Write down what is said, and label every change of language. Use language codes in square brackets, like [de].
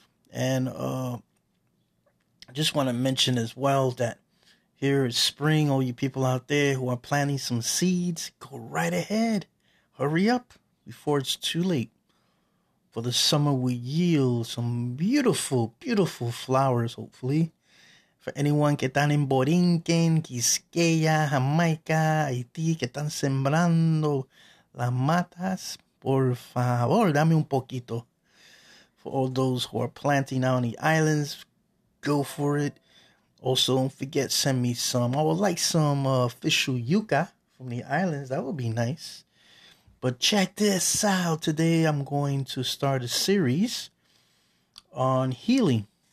[en] And I just want to mention as well that here is spring. All you people out there who are planting some seeds, go right ahead. Hurry up before it's too late. For the summer, we yield some beautiful, beautiful flowers, hopefully. For anyone [es] que están en Borinquen, Quisqueya, Jamaica, Haití, que están sembrando las matas, por favor, dame un poquito. [en] For all those who are planting out on the islands, go for it. Also, don't forget, send me some. I would like some official yuca from the islands. That would be nice. But check this out. Today, I'm going to start a series on healing.